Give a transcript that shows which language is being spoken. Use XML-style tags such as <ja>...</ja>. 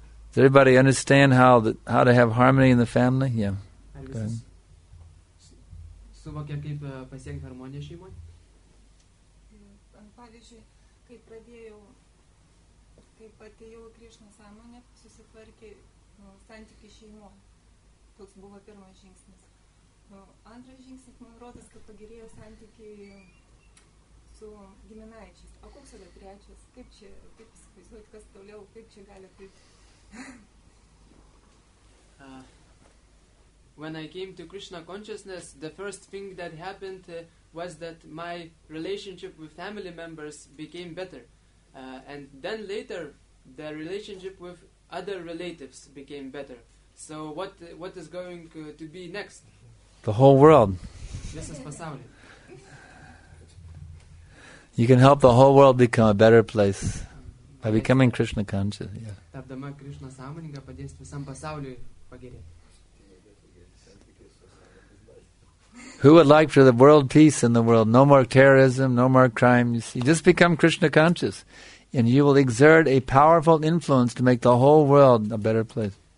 <en>Does everybody understand how to have harmony in the family? Yeah. Go ahead.</en> <lt>Suvokia kaip pasiekti harmoniją šeimoje? Pavyzdžiui, kaip atėjau Krišna sąmonė, susitvarkė santykį šeimoje. Toks buvo pirmas žingsnis. Antras žingsnis, man rodas, kad pagerėjo santykį su giminaičiais. O koks yra trečias? Kaip čia, kaip įsivaizduoti, kas toliau, kaip čia gali būti?</lt> <en>when I came to Krishna consciousness, the first thing that happened was that my relationship with family members became better. And then later, the relationship with other relatives became better. So what is going to be next? The whole world. This is pasauli. You can help the whole world become a better place by becoming Krishna conscious. Yeah.</en> <lt>Tapdama Krishna sąmoninga padės visam pasauliui pagerėti.</lt> <en>Who would like for the world peace in the world? No more terrorism, no more crimes. You just become Krishna conscious and you will exert a powerful influence to make the whole world a better place.</en>